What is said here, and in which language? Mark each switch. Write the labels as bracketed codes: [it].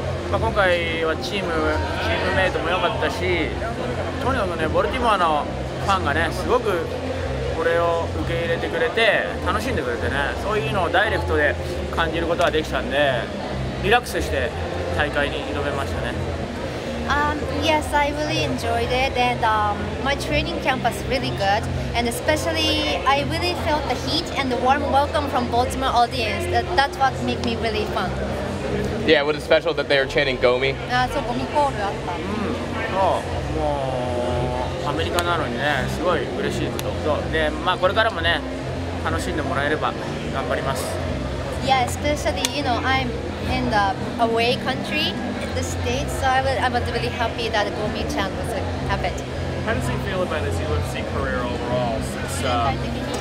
[ja] まあ、今回はチームメイトも良かったし、とにかくね、ボルティモアのファンがね、すごくこれを受け入れてくれて、楽しんでくれてね、そういうのをダイレクトで感じることができたんで、リラックスして大会に挑めましたね。 [en] Yes, I really enjoyed it, and my training camp was really good, and especially I really felt the heat and the warm welcome from Baltimore audience. That's what made me really fun. Yeah, what is special that they are chanting Gomi? [ja] Gomi コールあった。もうアメリカなのにね、すごい嬉しいこと。で、まあこれからもね、楽しんでもらえれば頑張ります。 [en] Yeah, especially, you know, I'm in the away country, in the States, so I was really happy that Gomi chant was a habit. How does he feel about his UFC career overall since...